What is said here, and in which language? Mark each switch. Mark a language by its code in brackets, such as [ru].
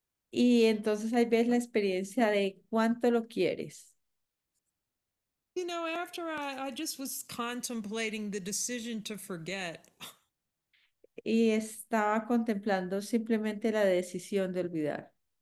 [es] Y entonces ahí ves la experiencia de cuánto lo quieres. [en] You know, after I just was contemplating the decision to forget. [es] Y estaba contemplando simplemente la decisión de olvidar.